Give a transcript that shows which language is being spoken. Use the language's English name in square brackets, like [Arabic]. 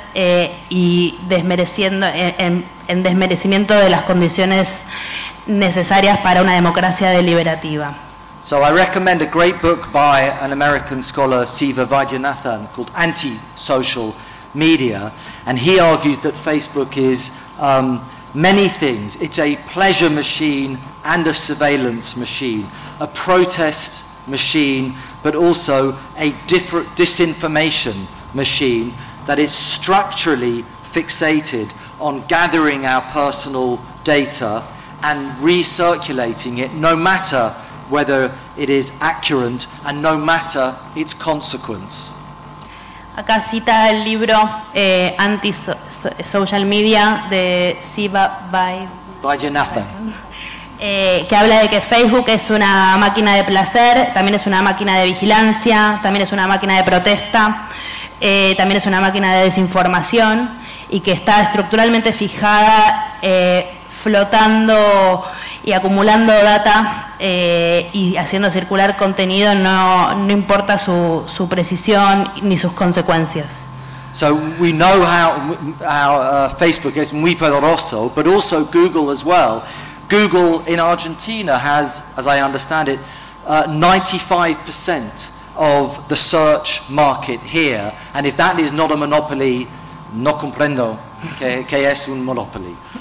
[Spanish] y desmereciendo en desmerecimiento de las condiciones necesarias para una democracia deliberativa. [English] So I recommend a great book by an American scholar, Siva Vaidyanathan, called Anti-Social Media, and he argues that Facebook is many things. It's a pleasure machine and a surveillance machine, a protest machine, but also a different disinformation machine that is structurally fixated on gathering our personal data and recirculating it, no matter whether it is accurate and no matter its consequence. [Spanish] Acá cita el libro Anti-Social Media de Siva Vaidyanathan, que habla de que Facebook es una máquina de placer, también es una máquina de vigilancia, también es una máquina de protesta, también es una máquina de desinformación, y que está estructuralmente fijada, flotando y acumulando data, y haciendo circular contenido, no importa su precisión ni sus consecuencias. [English] So we know how Facebook is [Spanish] muy poderoso, [English] but also Google as well. Google in Argentina has, as I understand it, 95% of the search market here, and if that is not a monopoly, [Spanish] no comprendo que es un monopoly.